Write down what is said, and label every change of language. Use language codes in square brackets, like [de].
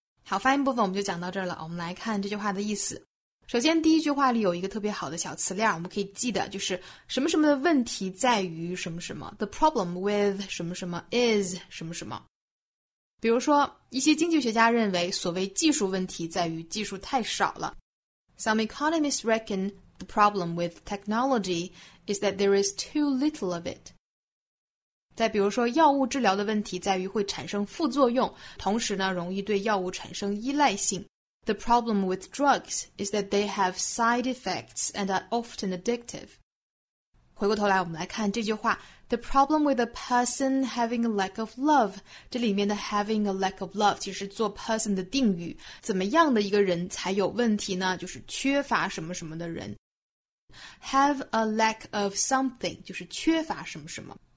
[zh] Okay, 发音部分我们就讲到这儿了。我们来看这句话的意思。首先第一句话里有一个特别好的小词链我们可以记得就是什么什么的问题在于什么什么 The problem with 什么什么 is 什么什么比如说一些经济学家认为所谓技术问题在于技术太少了。 [en] Some economists reckon the problem with technology is that there is too little of it. [zh] 再比如说药物治疗的问题在于会产生副作用同时呢容易对药物产生依赖性。 [en] The problem with drugs is that they have side effects and are often addictive. [zh] 回过头来我们来看这句话。 [en] The problem with a person having a lack of love, 这里面的 having a lack of love 其实做 person 的定语。 [zh] 怎么样的一个人才有问题呢？就是缺乏什么什么的人。 [en] Have a lack of something, [zh] 就是缺乏什么什么。